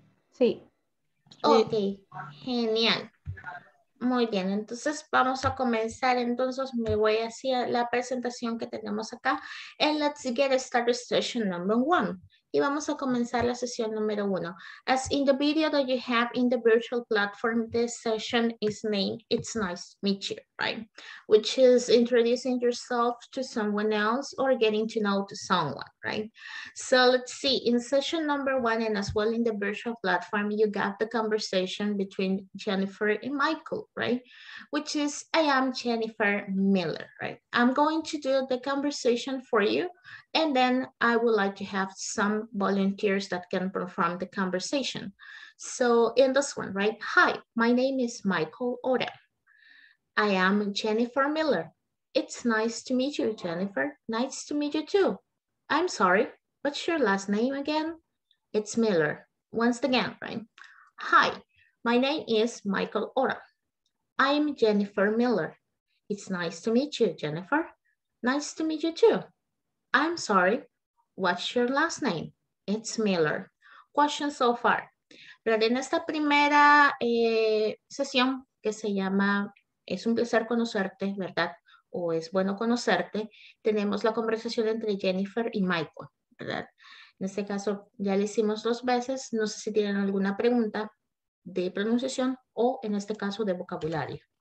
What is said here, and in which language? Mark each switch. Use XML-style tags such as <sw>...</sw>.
<es>Sí. Ok, genial. Muy bien, entonces vamos a comenzar. Entonces me voy hacia la presentación que tenemos acá en Let's Get Started Session Number One. Y vamos a comenzar la sesión número uno.</es> <en>As in the video that you have in the virtual platform, this session is named It's Nice to Meet You, right? Which is introducing yourself to someone else or getting to know to someone, right? So let's see, in session number one and as well in the virtual platform, you got the conversation between Jennifer and Michael, right? Which is, I am Jennifer Miller, right? I'm going to do the conversation for you. And then I would like to have some volunteers that can perform the conversation. So in this one, right? Hi, my name is Michael Oda. I am Jennifer Miller. It's nice to meet you, Jennifer. Nice to meet you too. I'm sorry, what's your last name again? It's Miller, once again, right? Hi, my name is Michael Oda. I'm Jennifer Miller. It's nice to meet you, Jennifer. Nice to meet you too. I'm sorry, what's your last name? It's Miller. Question so far.</en> <es>Pero en esta primera sesión que se llama Es un placer conocerte, ¿verdad? O Es bueno conocerte, tenemos la conversación entre Jennifer y Michael, ¿verdad? En este caso ya le hicimos dos veces. No sé si tienen alguna pregunta de pronunciación o en este caso de vocabulario.</es>